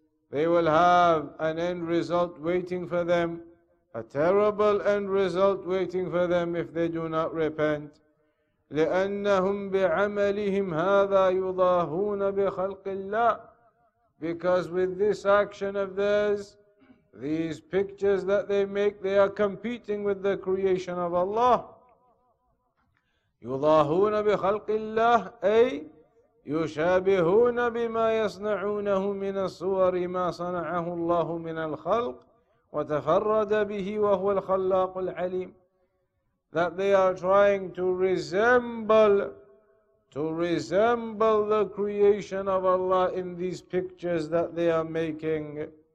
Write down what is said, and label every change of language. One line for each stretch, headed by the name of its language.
English: They will have an end result waiting for them, a terrible end result waiting for them if they do not repent.
Arabic: لأنهم بعملهم هذا يضاهون بخلق الله.
English: Because with this action of theirs, these pictures that they make, they are competing with the creation of Allah.
Arabic: يضاهون بخلق الله أي يشابهون بما يصنعونه من الصور ما صنعه الله من الخلق وتفرد به وهو الخلاق العليم.
English: That they are trying to resemble the creation of Allah in these pictures that they are making.